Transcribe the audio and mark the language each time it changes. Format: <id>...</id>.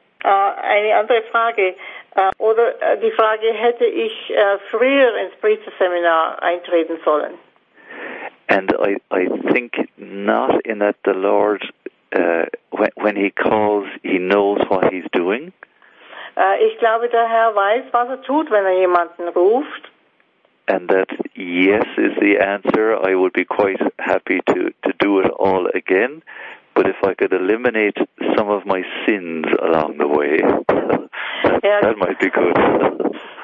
<de>Eine andere Frage. Oder die Frage, hätte ich früher ins Priesterseminar eintreten sollen?</de> <en>And I think not in that the Lord, when he calls, he knows what he's doing.</en> <de>Ich glaube, der Herr weiß, was tut, wenn jemanden ruft.</de> <en>And that yes is the answer. I would be quite happy to do it all again. But if I could eliminate some of my sins along the way, that might be good.</en>